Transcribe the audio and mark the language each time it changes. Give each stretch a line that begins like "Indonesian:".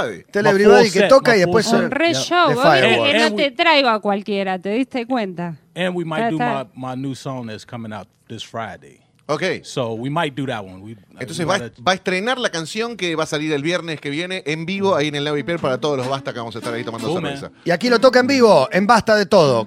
Spanish: Telebrivade que toca y después un re show. Que no te traigo a cualquiera, ¿te diste cuenta?
English: And we might do my new song that's coming out this Friday. Okay. So we might do that one.
Spanish: Entonces va a estrenar la canción que va a salir el viernes que viene en vivo ahí en el Navy Pier para todos los Basta que vamos a estar ahí tomando cerveza. Y aquí lo toca en vivo, en Basta de Todo.